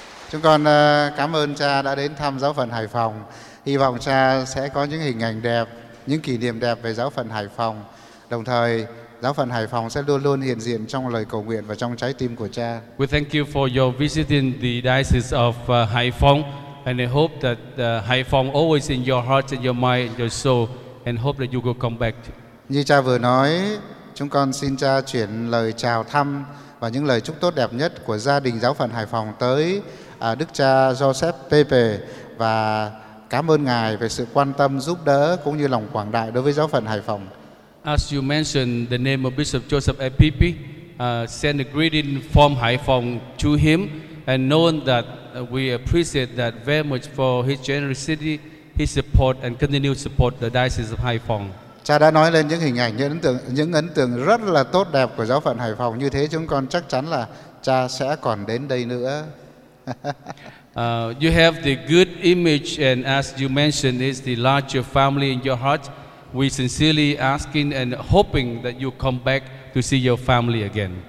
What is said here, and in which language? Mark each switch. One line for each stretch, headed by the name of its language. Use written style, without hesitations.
Vietnamese: Chúng con cảm ơn cha đã đến thăm giáo phận Hải Phòng. Hy vọng cha sẽ có những hình ảnh đẹp, những kỷ niệm đẹp về giáo phận Hải Phòng. Đồng thời, giáo phận Hải Phòng sẽ luôn luôn hiện diện trong lời cầu nguyện và trong trái tim của cha.
English: We thank you for your visiting the Diocese of Haiphong, and I hope that Haiphong always in your heart and your mind and your soul, and hope that you will come back.
Vietnamese: Như cha vừa nói, chúng con xin cha chuyển lời chào thăm và những lời chúc tốt đẹp nhất của gia đình giáo phận Hải Phòng tới Đức Cha Joseph Pepe, và cảm ơn Ngài về sự quan tâm, giúp đỡ cũng như lòng quảng đại đối với giáo phận Hải Phòng.
English: As you mentioned the name of Bishop Joseph Apipi, send a greeting from Hải Phòng to him, and knowing that we appreciate that very much for his generosity, his support, and continued support the Diocese of Haiphong.
Vietnamese: Cha đã nói lên những hình ảnh, những ấn tượng rất là tốt đẹp của giáo phận Hải Phòng. Như thế chúng con chắc chắn là cha sẽ còn đến đây nữa.
English: You have the good image, and as you mentioned, is the larger family in your heart. We sincerely asking and hoping that you come back to see your family again.